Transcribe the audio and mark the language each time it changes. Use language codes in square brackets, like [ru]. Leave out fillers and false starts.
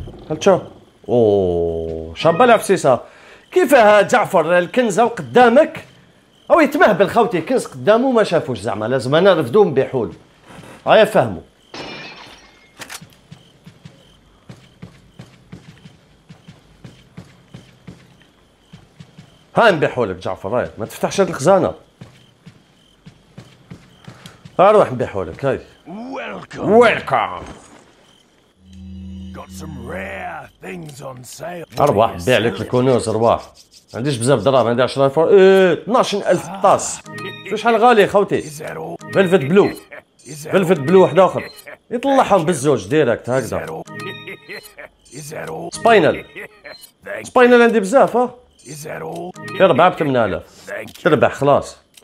[ar] هل تشوف او شابه العفسيسه كيف جعفر الكنزه قدامك او يتمهبل خاوتي كنز قدامه ما شافوش زعما لازم انا نرفدو بحول هيا فهموا ها نبيع حولك جعفر هاي ما تفتحش هاد الخزانة اروح نبيع حولك هاي [en] Welcome. Welcome. Got some rare things on sale. [ar] اروح نبيع لك الكنوز اروح ما عنديش بزاف دراهم عندي 10 فور 12000 طاس شحال غالي خوتي فيلفت بلو بلفت بلو واحد اخر يطلعهم بالزوج ديركت هكذا. سباينل سباينل عندي بزاف ها في 4-8000 تربح خلاص.